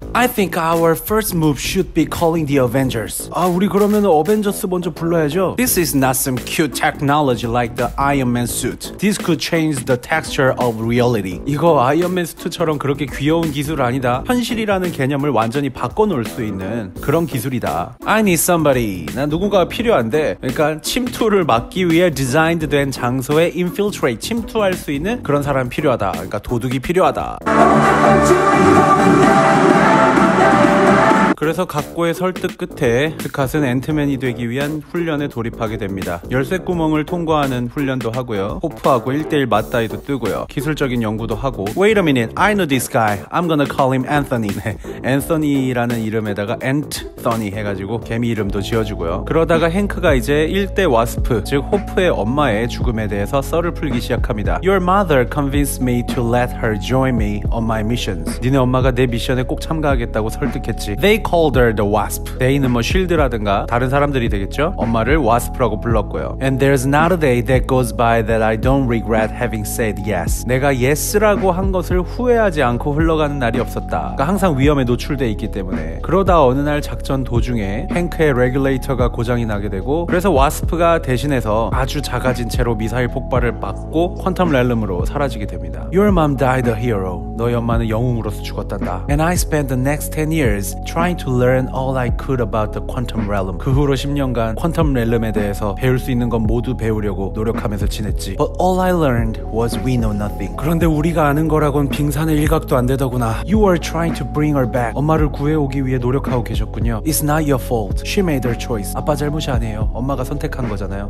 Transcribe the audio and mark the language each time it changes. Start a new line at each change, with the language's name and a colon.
English: I think our first move should be calling the Avengers.
Korean: 아, 우리 그러면 어벤져스 먼저 불러야죠.
English: This is not some cute technology like the Iron Man suit. This could change the texture of reality.
Korean: 이거 아이언맨 수트처럼 그렇게 귀여운 기술 아니다. 현실이라는 개념을 완전히 바꿔놓을 수 있는 그런 기술이다.
English: I need somebody.
Korean: 난 누군가가 필요한데. 그러니까 침투를 막기 위해 디자인드 된 장소에 infiltrate, 침투할 수 있는 그런 사람 필요하다. 그러니까 도둑이 필요하다. 그래서 각고의 설득 끝에 스캇은 앤트맨이 되기 위한 훈련에 돌입하게 됩니다. 열쇠구멍을 통과하는 훈련도 하고요. 호프하고 1대1 맞다이도 뜨고요. 기술적인 연구도 하고
English: Wait a minute, I know this guy. I'm gonna call him Anthony.
Korean: 네, Anthony라는 이름에다가 Ant-thony 해가지고 개미 이름도 지어주고요. 그러다가 헹크가 이제 1대 와스프, 즉 호프의 엄마의 죽음에 대해서 썰을 풀기 시작합니다.
English: Your mother convinced me to let her join me on my missions.
Korean: 니네 엄마가 내 미션에 꼭 참가하겠다고 설득했지.
English: They called her the wasp.
Korean: They는 뭐 쉴드라든가 다른 사람들이 되겠죠. 엄마를 wasp라고 불렀고요.
English: And there's not a day that goes by that I don't regret having said yes.
Korean: 내가 yes라고 한 것을 후회하지 않고 흘러가는 날이 없었다. 그러니까 항상 위험에 노출돼 있기 때문에. 그러다 어느 날 작전 도중에 헹크의 레귤레이터가 고장이 나게 되고 그래서 wasp가 대신해서 아주 작아진 채로 미사일 폭발을 막고 퀀텀 렐름으로 사라지게 됩니다.
English: Your mom died a hero.
Korean: 너희 엄마는 영웅으로서 죽었단다.
English: And I spent the next 10 years trying trying to learn all I could about the quantum realm.
Korean: 그 후로 10년간 퀀텀 렐름에 대해서 배울 수 있는 건 모두 배우려고 노력하면서 지냈지.
English: But all I learned was we know nothing.
Korean: 그런데 우리가 아는 거라곤 빙산의 일각도 안 되더구나.
English: You are trying to bring her back.
Korean: 엄마를 구해오기 위해 노력하고 계셨군요.
English: It's not your fault. She made her choice.
Korean: 아빠 잘못이 아니에요. 엄마가 선택한 거잖아요.